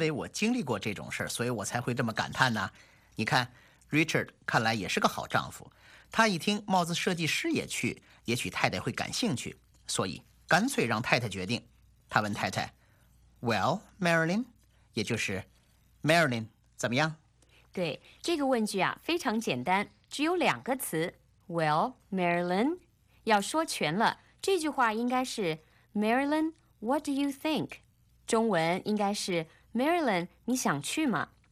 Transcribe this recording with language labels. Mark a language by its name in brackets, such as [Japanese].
[Chinese] 那正因为我经历过这种事， 所以我才会这么感叹呢。你看 Richard 看来也是个好丈夫，他一听帽子设计师也去，也许太太会感兴趣，所以干脆让太太决定。他问太太， Well, Marilyn? 也就是 Marilyn 怎么样？对，这个问句啊非常简单，只有两个词， Well, Marilyn? 要说全了，这句话应该是 Marilyn, [English] what do you think? [Chinese] 中文应该是 Marilyn, 你想去吗？